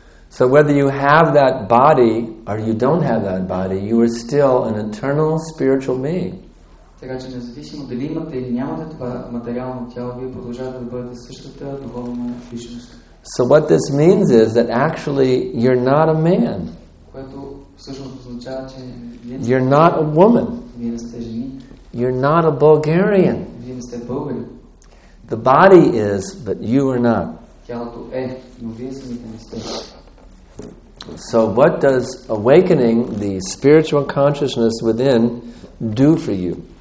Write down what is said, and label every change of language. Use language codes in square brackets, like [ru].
[en] So whether you have that body or you don't have that body, you are still an eternal spiritual being. [bg] Така че независимо дали имате или нямате това материално тяло, вие продължавате да бъдете същата духовна личност. [en] So what this means is that actually you're not a man. [bg] Което всъщност означава, че [en] you're not a woman. [bg] Вие не сте жени. [en] You're not a Bulgarian. [bg] Вие не сте българин. [en] The body is, but you are not. [bg] Тялото е, но вие самите не сте. [en] So what does awakening the spiritual consciousness within do for you?